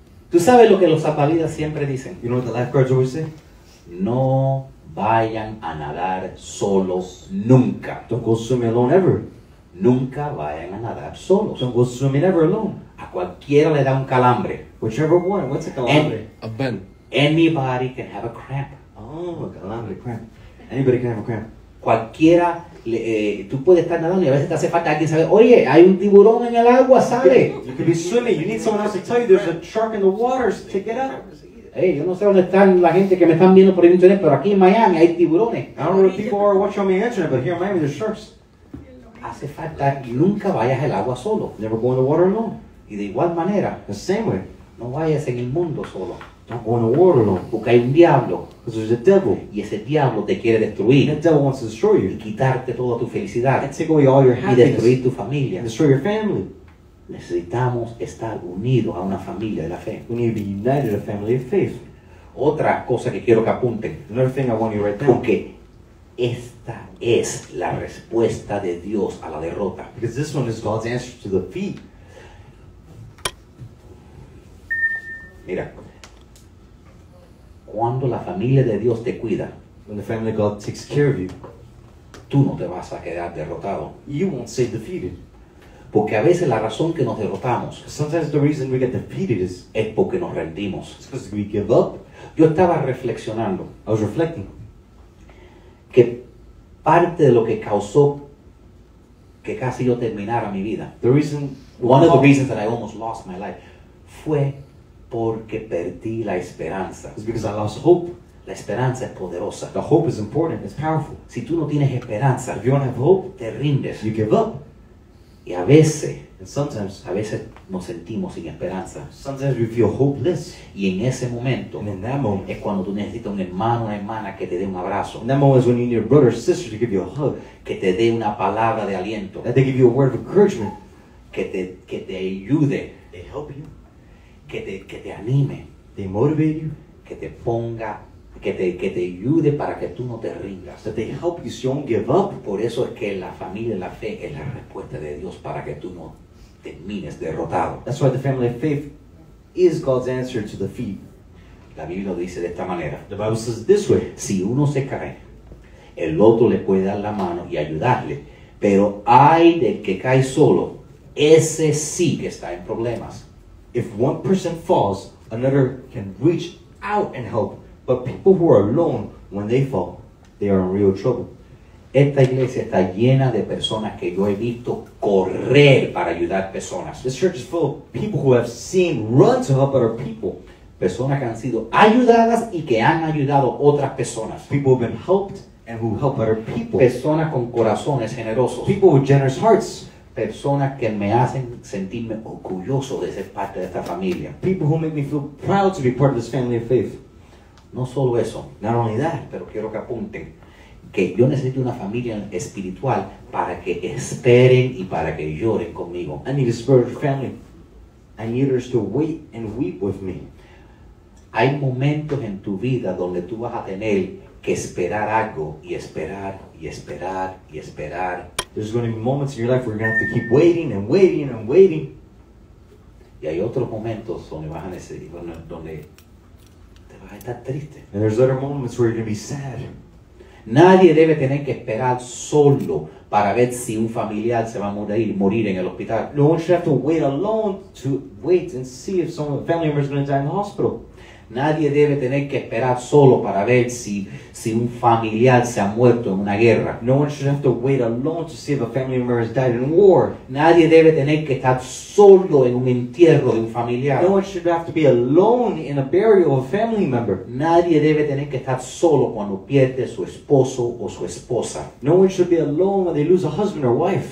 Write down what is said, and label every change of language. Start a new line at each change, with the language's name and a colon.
Spanish: ¿Tú sabes lo que los salvavidas siempre dicen?
English: You know what the lifeguards always say?
Spanish: No vayan a nadar solos nunca.
English: Don't go swimming alone ever.
Spanish: Nunca vayan a nadar solos.
English: Don't go swimming ever alone.
Spanish: A cualquiera le da un calambre.
English: Whichever one. What's a calambre? A bend. Anybody can have a cramp. Oh, a calambre, cramp. Anybody can have a cramp.
Spanish: Cualquiera, tú puedes estar nadando y a veces te hace falta alguien saber, oye, hay un tiburón en el agua, sale.
English: You could be swimming. You need someone else to tell you there's a shark in the water to get out.
Spanish: Hey, yo no sé dónde están la gente que me están viendo por el internet, pero aquí en Miami hay tiburones.
English: I don't know if people are watching on the internet, but here in Miami there's sharks.
Spanish: Hace falta que nunca vayas al agua solo.
English: Never go in the water alone.
Spanish: Y de igual manera.
English: The same way.
Spanish: No vayas en el mundo solo.
English: Don't go in the water alone.
Spanish: Porque hay un diablo.
English: Because there's a devil.
Spanish: Y ese diablo te quiere destruir.
English: And the devil wants to destroy you.
Spanish: Y quitarte toda tu felicidad.
English: And take away all your happiness.
Spanish: Y destruir tu familia.
English: And destroy your family.
Spanish: Necesitamos estar unidos a una familia de la fe.
English: We need to be united a family of faith.
Spanish: Otra cosa que quiero que apunten.
English: Another thing I want you to write down.
Spanish: Porque esta es la respuesta de Dios a la derrota.
English: Because this one is God's answer to defeat.
Spanish: Mira. Cuando la familia de Dios te cuida.
English: When the family of God takes care of you.
Spanish: Tú no te vas a quedar derrotado.
English: You won't stay defeated.
Spanish: Porque a veces la razón que nos derrotamos.
English: Sometimes the reason we get defeated is.
Spanish: Es porque nos rendimos.
English: It's because we give up.
Spanish: Yo estaba reflexionando.
English: I was reflecting.
Spanish: Que parte de lo que causó que casi yo terminara mi vida.
English: The reason, one of the reasons that I almost lost my life,
Spanish: fue porque perdí la esperanza.
English: It's because I lost hope.
Spanish: La esperanza es poderosa.
English: The hope is important. It's powerful.
Spanish: Si tú no tienes esperanza,
English: if you don't have hope,
Spanish: te rindes.
English: You give up.
Spanish: Y a veces,
English: and sometimes,
Spanish: a veces nos sentimos sin esperanza.
English: Sometimes we feel hopeless.
Spanish: Y en ese momento,
English: and in that moment,
Spanish: es cuando tú necesitas un hermano o una hermana que te dé un abrazo.
English: In that moment is when you need a brother or sister to give you a hug.
Spanish: Que te dé una palabra de aliento.
English: That they give you a word of encouragement.
Spanish: Que te ayude.
English: They help you.
Spanish: Que te anime.
English: They motivate you.
Spanish: Que te ponga. Que te ayude para que tú no te rindas.
English: That they help you so you don't give up.
Spanish: Por eso es que la familia y la fe es la respuesta de Dios para que tú no termines derrotado.
English: That's why the family of faith is God's answer to defeat.
Spanish: La Biblia dice de esta manera.
English: The Bible says this way.
Spanish: Si uno se cae, el otro le puede dar la mano y ayudarle. Pero hay del que cae solo, ese sí que está en problemas.
English: If one person falls, another can reach out and help. But people who are alone, when they fall, they are in real trouble.
Spanish: Esta iglesia está llena de personas que yo he visto correr para ayudar personas.
English: This church is full of people who have seen run to help other people.
Spanish: Personas que han sido ayudadas y que han ayudado otras personas.
English: People who have been helped and who help other people.
Spanish: Personas con corazones generosos.
English: People with generous hearts.
Spanish: Personas que me hacen sentirme orgulloso de ser parte de esta familia.
English: People who make me feel proud to be part of this family of faith.
Spanish: No solo eso.
English: Not only that.
Spanish: Pero quiero que apunten. Que yo necesito una familia espiritual para que esperen y para que lloren conmigo.
English: I need a spiritual family. I need her to wait and weep with me.
Spanish: Hay momentos en tu vida donde tú vas a tener que esperar algo y esperar y esperar y esperar.
English: There's going to be moments in your life where you're going to have to keep waiting and waiting and waiting.
Spanish: Y hay otros momentos donde vas a necesitar, donde te vas a estar triste.
English: And there's other moments where you're going to be sad.
Spanish: Nadie debe tener que esperar solo para ver si un familiar se va a morir en el hospital.
English: No one should have to wait alone to wait and see if some family member is going to die in the hospital.
Spanish: Nadie debe tener que esperar solo para ver si un familiar se ha muerto en una guerra.
English: No one should have to wait alone to see if a family member has died in war.
Spanish: Nadie debe tener que estar solo en un entierro de un familiar.
English: No one should have to be alone in a burial of a family member.
Spanish: Nadie debe tener que estar solo cuando pierde su esposo o su esposa.
English: No one should be alone when they lose a husband or wife.